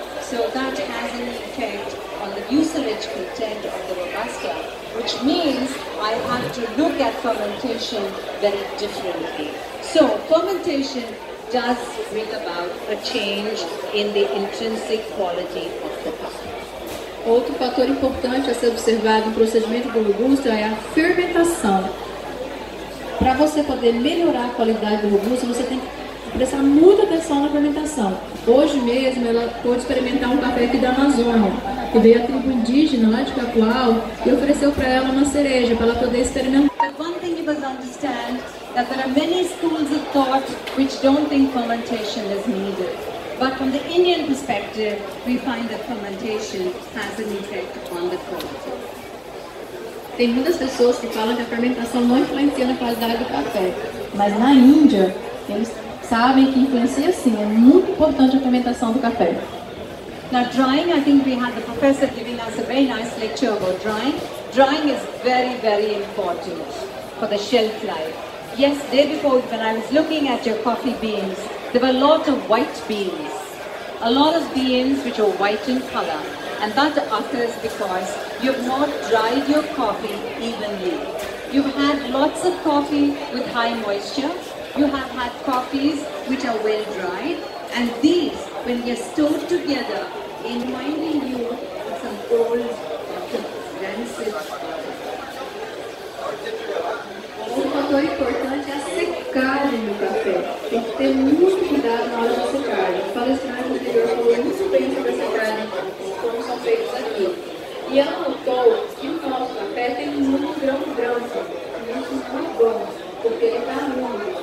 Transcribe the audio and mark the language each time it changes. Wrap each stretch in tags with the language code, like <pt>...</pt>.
<en>So that has an effect on the mucilage content of the robusta, which means I have to look at fermentation very differently. So fermentation does bring about a change in the intrinsic quality of the puff.</en> <pt>Outro fator importante a ser observado no processamento do robusta é a fermentação. Para você poder melhorar a qualidade do robusta, você tem que prestar muita atenção na fermentação. Hoje mesmo ela pôde experimentar um café aqui da Amazônia, que veio a tribo indígena lá de Capual e ofereceu para ela uma cereja para ela poder experimentar.</pt> <en>But one thing you must understand that there are many schools of thought which don't think fermentation is needed. But from the Indian perspective, we find that fermentation has an effect on the quality.</en> <pt>Tem muitas pessoas que falam que a fermentação não influencia na qualidade do café, mas na Índia eles sabem que influencia sim, é muito importante a fermentação do café.</pt> <en>Now drying, I think we had the professor giving us a very nice lecture about drying. Drying is very, very important for the shelf life. Yes, day before when I was looking at your coffee beans, there were a lot of white beans. A lot of beans which are white in color. And that occurs because you've not dried your coffee evenly. You've had lots of coffee with high moisture. You have had coffees which are well dried, and these, when they are stored together, reminding you of some old, rancid.</en> <pt>Um fator importante é a secagem do café. Tem que ter muito cuidado na hora da secagem. O palestrante anterior falou muito bem sobre a secagem, como são feitos aqui. E ela notou que o nosso café tem muito grão branco, muitos grãos, porque ele está úmido.</pt>